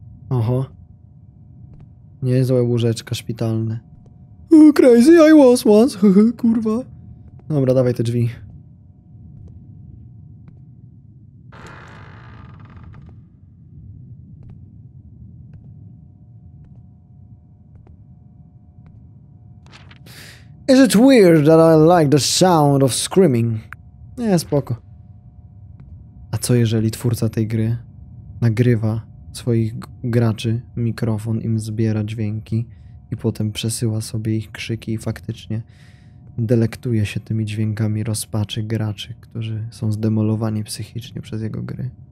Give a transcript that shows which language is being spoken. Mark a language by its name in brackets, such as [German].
[Polish] Oho. Niezłe łóżeczka szpitalne. [English] Oh, crazy, I was once, kurwa. [Polish] Dobra, dawaj te drzwi. [English] Is it weird that I like the sound of screaming? [Polish] Nie, spoko. A co jeżeli twórca tej gry nagrywa swoich graczy mikrofon, im zbiera dźwięki i potem przesyła sobie ich krzyki i faktycznie delektuje się tymi dźwiękami rozpaczy graczy, którzy są zdemolowani psychicznie przez jego gry?